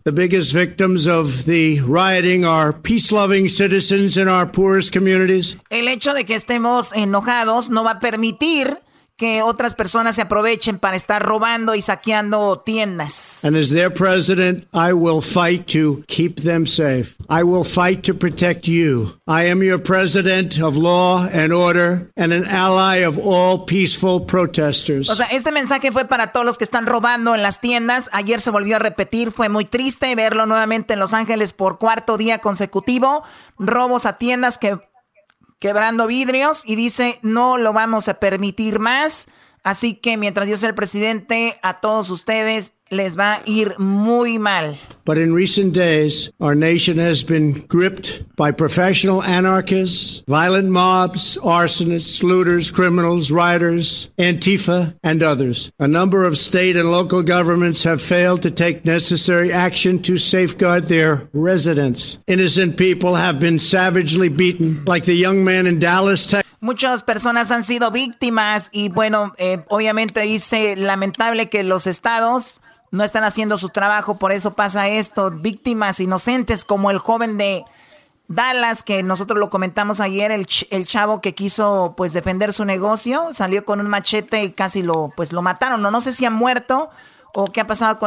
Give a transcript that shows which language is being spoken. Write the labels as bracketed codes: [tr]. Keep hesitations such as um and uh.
[en] The biggest victims of the rioting are peace-loving citizens in our poorest communities. [es] El hecho de que estemos enojados no va a permitir que otras personas se aprovechen para estar robando y saqueando tiendas. [en] And as their president, I will fight to keep them safe. I will fight to protect you. I am your president of law and order and an ally of all peaceful protesters. [es] O sea, este mensaje fue para todos los que están robando en las tiendas. Ayer se volvió a repetir, fue muy triste verlo nuevamente en Los Ángeles por cuarto día consecutivo, robos a tiendas que quebrando vidrios y dice, no lo vamos a permitir más. Así que mientras yo sea el presidente, a todos ustedes les va a ir muy mal. [en] But in recent days, our nation has been gripped by professional anarchists, violent mobs, arsonists, looters, criminals, rioters, Antifa, and others. A number of state and local governments have failed to take necessary action to safeguard their residents. Innocent people have been savagely beaten, like the young man in Dallas, Texas. [es] muchas personas han sido víctimas y bueno, eh, obviamente dice lamentable que los estados no están haciendo su trabajo, por eso pasa esto, víctimas inocentes como el joven de Dallas, que nosotros lo comentamos ayer, el, ch el chavo que quiso pues defender su negocio, salió con un machete y casi lo, pues, lo mataron, no, no sé si ha muerto, Oh, Texas,